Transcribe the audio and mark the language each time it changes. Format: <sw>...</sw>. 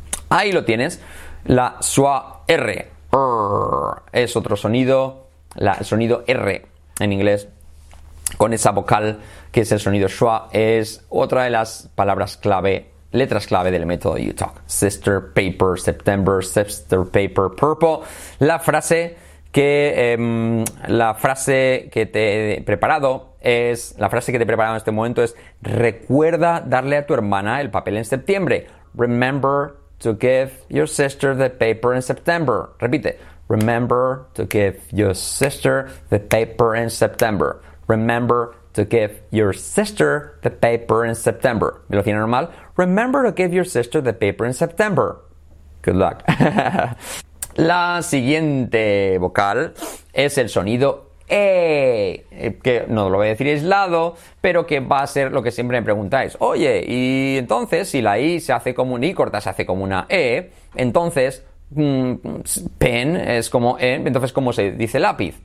<es>Ahí lo tienes, la schwa R, es otro sonido, el sonido R en inglés, con esa vocal que es el sonido schwa, es otra de las palabras clave, letras clave del método U-Talk.</es> <en>Sister, paper, September, sister, paper, purple.</en> <es>La frase que te he preparado es, la frase que te he preparado en este momento es, recuerda darle a tu hermana el papel en septiembre.</es> <en>Remember to give your sister the paper in September.</en> <es>Repite.</es> <en>Remember to give your sister the paper in September. Remember to give your sister the paper in September.</en> <es>Velocidad normal.</es> <en>Remember to give your sister the paper in September. Good luck.</en> <es>La siguiente vocal es el sonido E, que no lo voy a decir aislado, pero que va a ser lo que siempre me preguntáis. Oye, y entonces si la I se hace como una I corta, se hace como una E, entonces pen es como E, entonces ¿cómo se dice lápiz?</es>